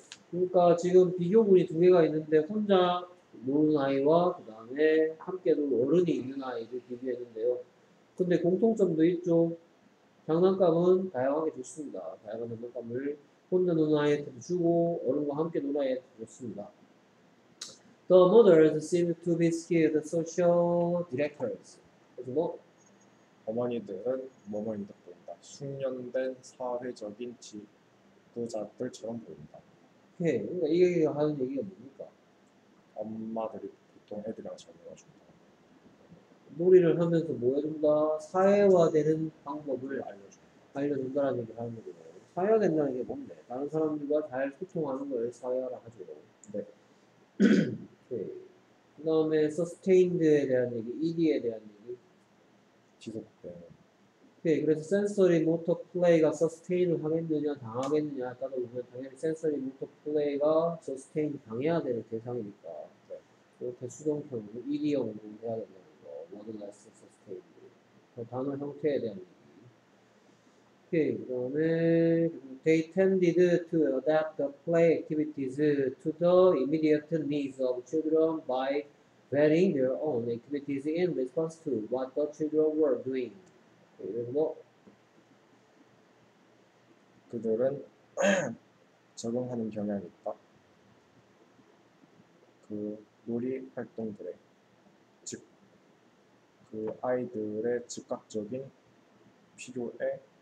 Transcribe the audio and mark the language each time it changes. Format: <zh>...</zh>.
<ko>그러니까 지금 비교군이 두 개가 있는데 혼자 노는 아이와 그 다음에 함께 놀 어른이 있는 아이를 비교했는데요. 근데 공통점도 있죠. 장난감은 다양하게 줬습니다. 다양한 장난감을 혼자 노는 아이한테도 주고 어른과 함께 노는 아이한테도 줬습니다.</ko> <en>The mothers seem to be skilled social directors.</en> <ko>그래서 뭐? 어머니들은 뭐뭐인듯 보인다. 숙련된 사회적인 지도자들처럼 보인다. 오케이. 그러니까 이 얘기가 하는 얘기가 뭡니까? 엄마들이 보통 애들이랑 잘 놀아준다. 놀이를 하면서 뭐 해준다? 사회화되는 방법을 알려준다라는 얘기를 하는 거고요. 사회화된다는 게 뭔데? 다른 사람들과 잘 소통하는 걸 사회화라 하죠. 네. 그 다음에 sustained에 대한 얘기, ED에 대한 얘기. 지속돼. 네, 그래서 sensory motor play가 sustained을 하겠느냐, 당하겠느냐에 따라 보면 당연히 sensory motor play가 sustained 당해야 되는 대상이니까. 이렇게 수동형, ED형으로 해야 된다는 거, modulus sustained. 그 단어 형태에 대한 얘기. 오케이, 그 다음에,</ko> <en>they tended to adapt the play activities to the immediate needs of children by varying their own activities in response to what the children were doing.</en> <ko>그래서 뭐? 그들은 적응하는 경향이 있다. 그 놀이 활동들에, 즉, 그 아이들의 즉각적인 필요에</ko>